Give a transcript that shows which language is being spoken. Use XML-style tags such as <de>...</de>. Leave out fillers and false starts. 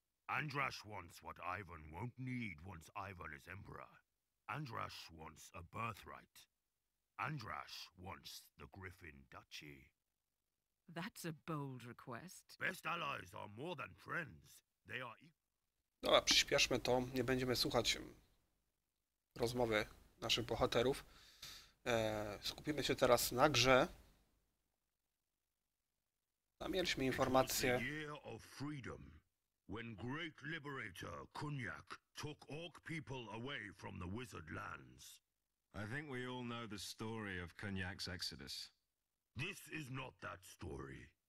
<en>Andrash wants what Ivan won't need once Ivan is emperor. Andrash wants a birthright. Andrash wants the Griffin Duchy. That's a bold request. Best allies are more than friends. They are equal.</en> <pl>Dobra, przyspieszmy to. Nie będziemy słuchać rozmowy naszych bohaterów. Skupimy się teraz na grze. Mieliśmy informację.</pl> <en>The year of freedom, when great liberator Cognac took orc people away from the wizard lands. I think we all know the story of Cognac's exodus. This is not that story.</en>